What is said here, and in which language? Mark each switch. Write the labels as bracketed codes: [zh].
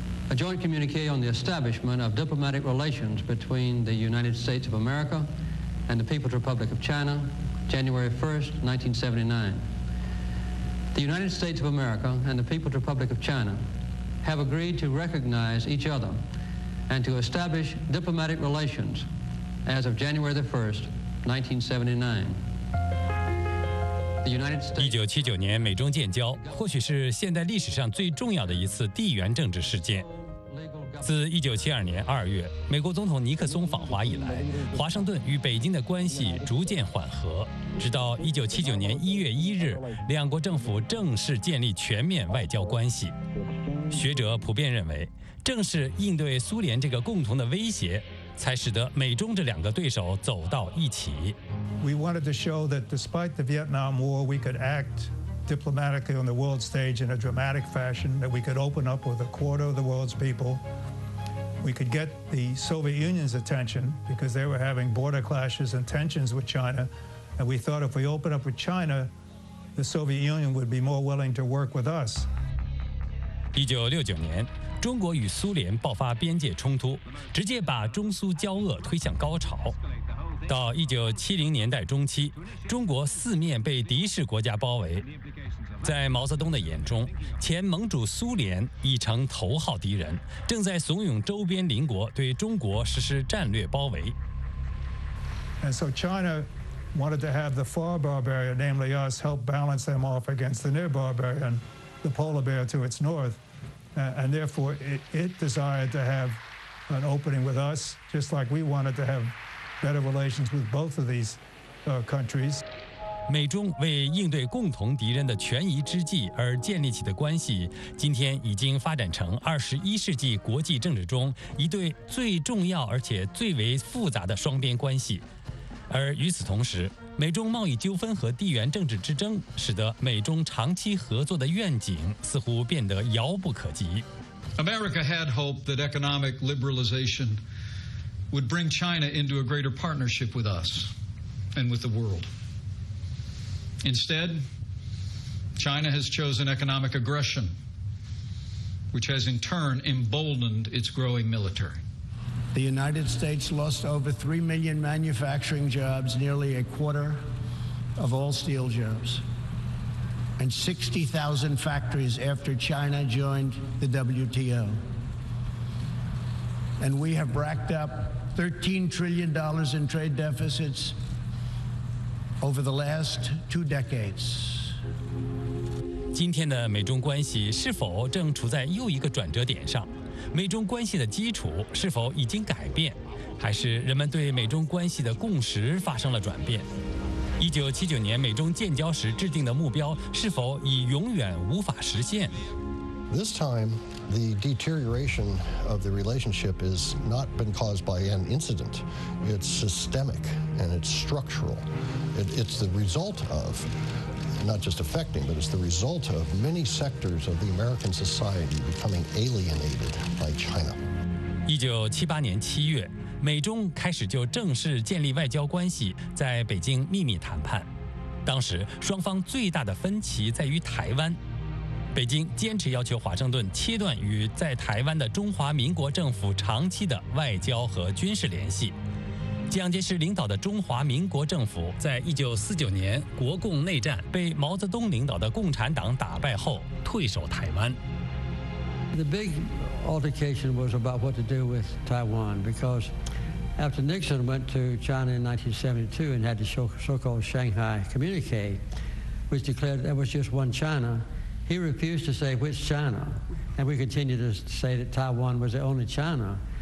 [en] A joint communique on the establishment of diplomatic relations between the United States of America and the People's Republic of China, January 1st, 1979. The United States of America and the People's Republic of China have agreed to recognize each other and to establish diplomatic relations as of January the 1st, 1979. The United States 1979 [zh] 年美中建交或许是现代历史上最重要的一次地缘政治事件。自1972年2月美国总统尼克松访华以来，华盛顿与北京的关系逐渐缓和，直到1979年1月1日两国政府正式建立全面外交关系。学者普遍认为，正是应对苏联这个共同的威胁，才使得美中这两个对手走到一起。 [en] We wanted to show that despite the Vietnam War, we could act diplomatically on the world stage in a dramatic fashion, that we could open up with a quarter of the world's people. We could get the Soviet Union's attention because they were having border clashes and tensions with China. And we thought if we open up with China, the Soviet Union would be more willing to work with us. [zh] 1969年，中国与苏联爆发边界冲突，直接把中苏交恶推向高潮。到1970年代中期，中国四面被敌视国家包围，在毛泽东的眼中，前盟主苏联已成头号敌人，正在怂恿周边邻国对中国实施战略包围。 [en] And so China wanted to have the far barbarian, namely us, help balance them off against the near barbarian. The polar bear to its north, and therefore it desired to have an opening with us, just like we wanted to have better relations with both of these countries. [zh] 美中为应对共同敌人的权宜之计而建立起的关系，今天已经发展成21世纪国际政治中一对最重要而且最为复杂的双边关系。而与此同时，美中贸易纠纷和地缘政治之争使得美中长期合作的愿景似乎变得遥不可及。 America had hoped that economic liberalization would bring China into a greater partnership with us and with the world. Instead, China has chosen economic aggression, which has in turn emboldened its growing military. The United States lost over 3 million manufacturing jobs, nearly a quarter of all steel jobs, and 60,000 factories after China joined the WTO. And we have racked up $13 trillion in trade deficits over the last two decades. 今天的美中关系是否正处在又一个转折点上？美中关系的基础是否已经改变，还是人们对美中关系的共识发生了转变？ 1979年美中建交时制定的目标是否已永远无法实现 [en] ？This time, the deterioration of the relationship is not been caused by an incident. It's systemic and it's structural. It's the result of. Not just affecting, but it's the result of many sectors of the American society becoming alienated by China. [zh] 1978年7月，美中开始就正式建立外交关系，在北京秘密谈判。当时双方最大的分歧在于台湾。北京坚持要求华盛顿切断与在台湾的中华民国政府长期的外交和军事联系。蒋介石领导的中华民国政府在1949年国共内战被毛泽东领导的共产党打败后退守台湾。 [en] The big altercation was about what to do with Taiwan because After Nixon went to China in 1972 and had the so-called Shanghai communique, which declared there was just one China, he refused to say which China. And we continued to say that Taiwan was the only China.